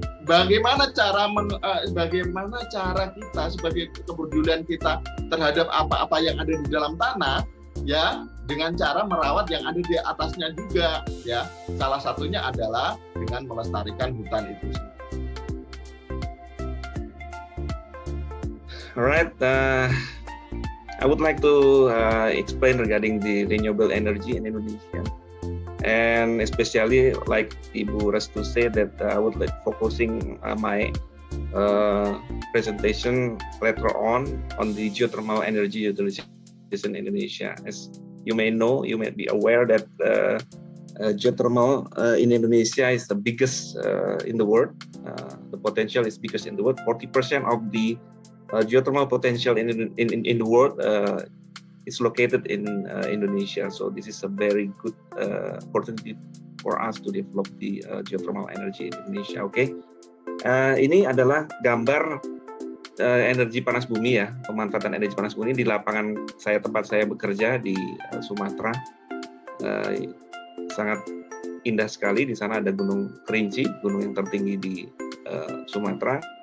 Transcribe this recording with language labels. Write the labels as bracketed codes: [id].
[id] Bagaimana cara kita sebagai kepedulian kita terhadap apa-apa yang ada di dalam tanah, ya, dengan cara merawat yang ada di atasnya juga, ya. Salah satunya adalah dengan melestarikan hutan itu. [en] Alright, I would like to explain regarding the renewable energy in Indonesia. And especially like Ibu Restu say that I would like focusing my presentation later on the geothermal energy utilization in Indonesia. As you may know, you may be aware that geothermal in Indonesia is the biggest in the world. The potential is biggest in the world. 40% of the geothermal potential in the world is located in Indonesia. So this is a very good opportunity for us to develop the geothermal energy in Indonesia. [id] Okay, ini adalah gambar energi panas bumi, ya, pemanfaatan energi panas bumi di lapangan saya, tempat saya bekerja di Sumatera. Sangat indah sekali di sana, ada Gunung Kerinci, gunung yang tertinggi di Sumatera.